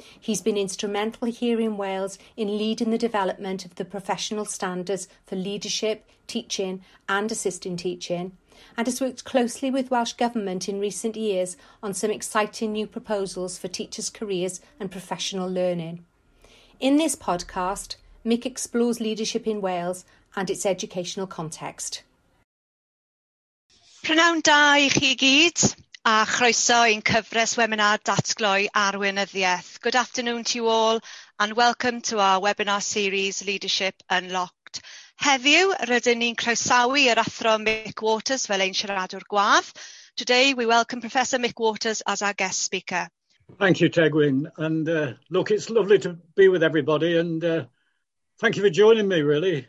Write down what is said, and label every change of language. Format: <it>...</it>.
<en>He's been instrumental here in Wales in leading the development of the professional standards for leadership, teaching and assisting teaching, and has worked closely with Welsh Government in recent years on some exciting new proposals for teachers' careers and professional learning. In this podcast, Mick explores leadership in Wales and its educational context.</en> <cy>Pnawn da I chi gyd, a chroeso i'n cyfres webinar datgloi arweinyddiaeth.</cy> <en>Good afternoon to you all and welcome to our webinar series Leadership Unlocked.</en> <cy>Heddiw, rydyn ni'n croesawu yr athro Mick Waters fel ein siaradwr gwadd.</cy> <en>Today we welcome Professor Mick Waters as our guest speaker. Thank you, Tegwyn. And look, it's lovely to be with everybody and thank you for joining me, really.</en>